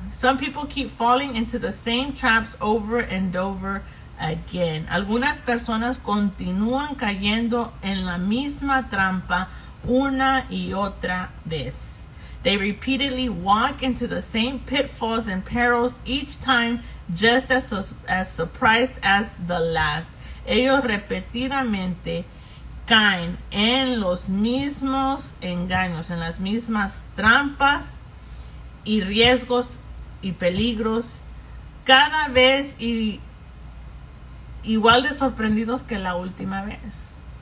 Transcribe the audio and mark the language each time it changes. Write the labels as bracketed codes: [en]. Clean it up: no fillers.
[en] Some people keep falling into the same traps over and over again. [es] Algunas personas continúan cayendo en la misma trampa una y otra vez. [en] They repeatedly walk into the same pitfalls and perils each time, just as surprised as the last. [es] Ellos repetidamente caen en los mismos engaños, en las mismas trampas y riesgos y peligros, cada vez igual de sorprendidos que la última vez.